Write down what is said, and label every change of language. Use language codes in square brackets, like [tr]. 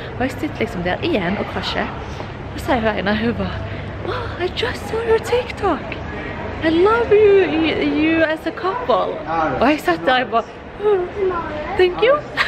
[no] Og jeg sitter liksom der igjen og krasjer. Og så sier hun, hun bare, [en] oh, I just saw your TikTok. I love you, you as a couple. [no] Og jeg satt der og bare, [en] thank you.